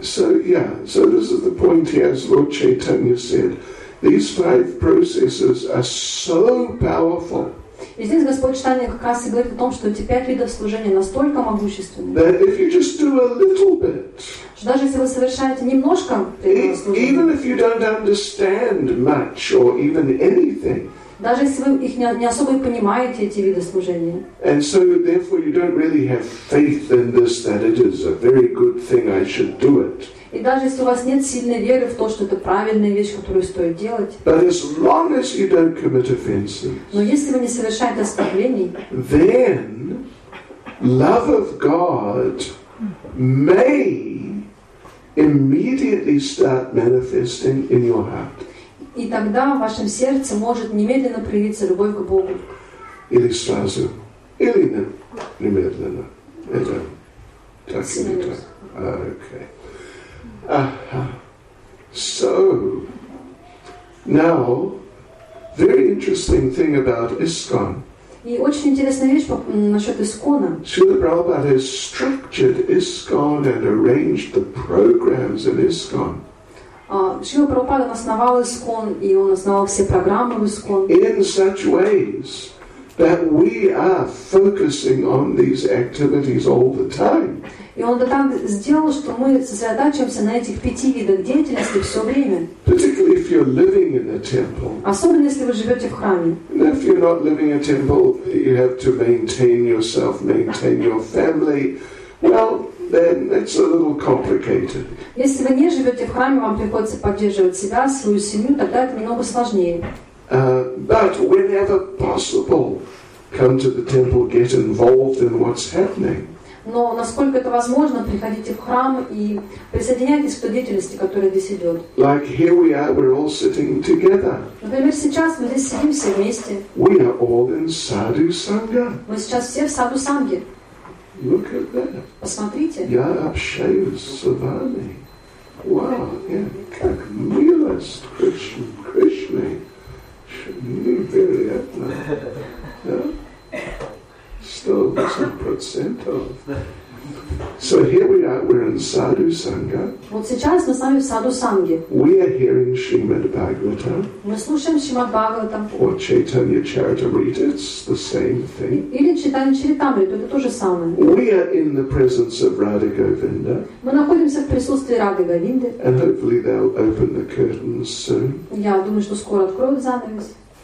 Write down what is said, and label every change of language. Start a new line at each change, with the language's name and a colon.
English: So yeah, so this is the point here, as Lord Chaitanya said. These five processes are so powerful.
Russian: И здесь Господь Читания как раз и говорит о том, что эти пять видов служения настолько могущественны.
English: That if you just do a little bit.
Russian: Что даже если вы совершаете немножко преданного служения.
English: Even if you don't understand much or even anything.
Russian: Даже если вы их не особо понимаете, эти виды служения.
English: And so therefore you don't really have faith in this, that it is a very good thing, I should do it.
Russian: И даже если у вас нет сильной веры в то, что это правильная вещь, которую стоит делать.
English: But as long as you don't commit offenses.
Russian: Но если вы не совершаете оскорблений.
English: Then love of God may immediately start manifesting in your heart.
Russian: И тогда в вашем сердце может немедленно проявиться любовь к Богу. Или сразу. Или немедленно. Это так или так. Окей.
English: So, now, very interesting thing about ISKCON.
Russian: И очень интересная вещь насчет ИСККОНа.
English: Srila Prabhupada has structured ISKCON and arranged the programs of ISKCON.
Russian: Шрила Прабхупада основал ИСККОН, и он основал все программы в ИСККОН.
English: In such ways that we are focusing on these activities all the time.
Russian: И он это так сделал, что мы сосредотачиваемся на этих пяти видах деятельности все время.
English: Particularly if you're living in a temple.
Russian: Особенно если вы живете в храме.
English: And if you're not living in a temple, you have to maintain yourself, maintain your family. Well, then it's a little complicated.
Russian: Если вы не живете в храме, вам приходится поддерживать себя, свою семью, тогда это немного сложнее.
English: But whenever possible, come to the temple, get involved in what's happening.
Russian: Но насколько это возможно, приходите в храм и присоединяйтесь к той деятельности, которая здесь идет.
English: Like here we are, we're all sitting together.
Russian: Например, сейчас мы здесь сидим все вместе.
English: We are all in sadhu sangha.
Russian: Мы сейчас все в саду санги.
English: Look at that.
Russian: Посмотрите. Я общаюсь с вами.
English: Wow, yeah.
Russian: Как милость Кришны. Кришны. Невероятно.
English: Still some percent of. So here we are, we're in sadhu sangha.
Russian: Вот сейчас мы с вами в саду санги.
English: We are hearing Srimad Bhagavatam.
Russian: Мы слушаем Srimad Bhagavatam.
English: Or Chaitanya Charitamrita, it's the same thing.
Russian: Или Chaitanya Charitamrita, это то же самое.
English: We are in the presence of Radha Govinda.
Russian: Мы находимся в присутствии Рады Говинды.
English: And hopefully they'll open the curtains soon.
Russian: Я думаю, что скоро откроют занавес.